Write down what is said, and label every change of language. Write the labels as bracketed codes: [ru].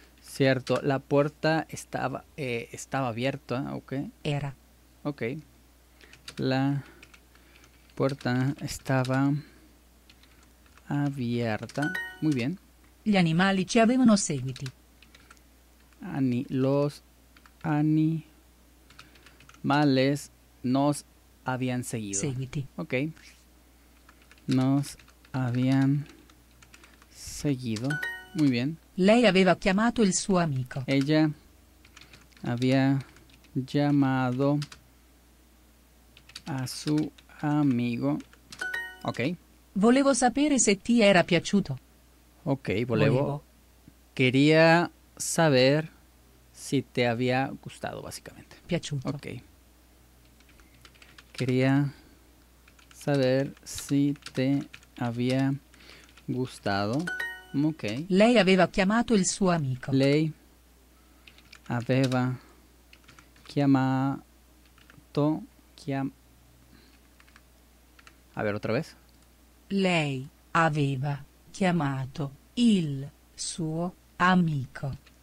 [es] Cierto, la puerta estaba estaba abierta, ¿ok? Era. Ok. La puerta estaba abierta. Muy bien. [it] Gli animali ci avevano seguiti. [es] Los animales nos habían seguido. [it] Seguiti. [es] Ok. Nos habían seguido. Muy bien. [it] Lei aveva chiamato il suo amico. [es] Ella había llamado a su amigo. Ok. [it] Volevo sapere se ti era piaciuto. Ok, volevo. [es] Quería saber si te había gustado, básicamente. [it] Piaciuto. Ok. [es] Quería saber si te había gustado. Ok. [it] Lei aveva chiamato il suo amico. Lei aveva chiamato. [es] A ver, otra vez. [it] Lei aveva chiamato il suo amico.